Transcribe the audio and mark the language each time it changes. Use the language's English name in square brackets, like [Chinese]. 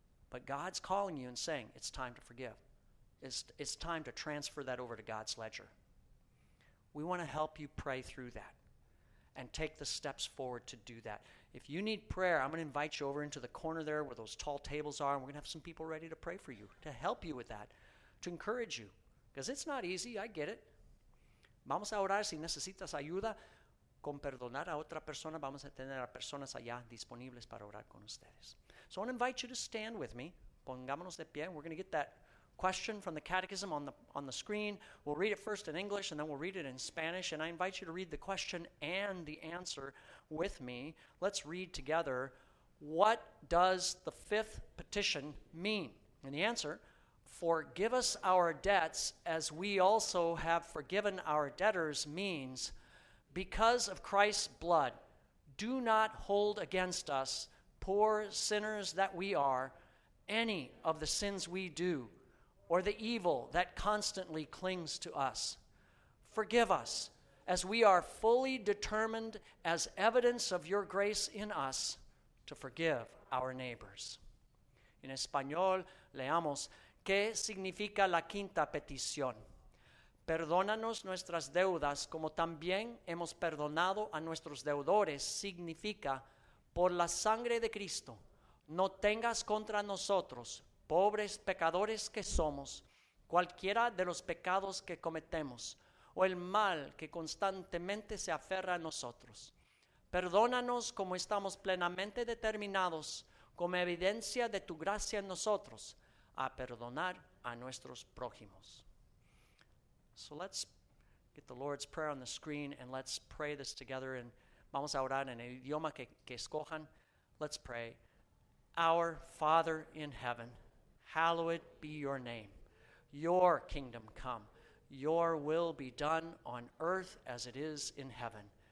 [English] But God's calling you and saying, it's time to forgive. It's time to transfer that over to God's ledger. We want to help you pray through that and take the steps forward to do that. If you need prayer, I'm going to invite you over into the corner there where those tall tables are, and we're going to have some people ready to pray for you, to help you with that, to encourage you. Because it's not easy, I get it. [Spanish] Vamos a orar si necesitas ayuda con perdonar a otra persona. Vamos a tener a personas allá disponibles para orar con ustedes. [English] So I want to invite you to stand with me. [Spanish] Pongámonos de pie, [English] and we're going to get that question from the Catechism on the screen. We'll read it first in English, and then we'll read it in Spanish. And I invite you to read the question and the answer with me. Let's read together. What does the fifth petition mean? And the answer: forgive us our debts as we also have forgiven our debtors means, because of Christ's blood, do not hold against us, poor sinners that we are, any of the sins we do, or the evil that constantly clings to us. Forgive us, as we are fully determined as evidence of your grace in us to forgive our neighbors. [Spanish] En español, leamos, ¿qué significa la quinta petición? Perdónanos nuestras deudas como también hemos perdonado a nuestros deudores significa, por la sangre de Cristo, no tengas contra nosotros, pobres pecadores que somos, cualquiera de los pecados que cometemos o el mal que constantemente se aferra a nosotros. Perdónanos como estamos plenamente determinados, como evidencia de tu gracia en nosotros, a perdonar a nuestros prójimos. [English] So let's get the Lord's Prayer on the screen and let's pray this together. [Spanish] And vamos a orar en el idioma que escojan. [English] Let's pray. Our Father in heaven, hallowed be your name. Your kingdom come. Your will be done on earth as it is in heaven.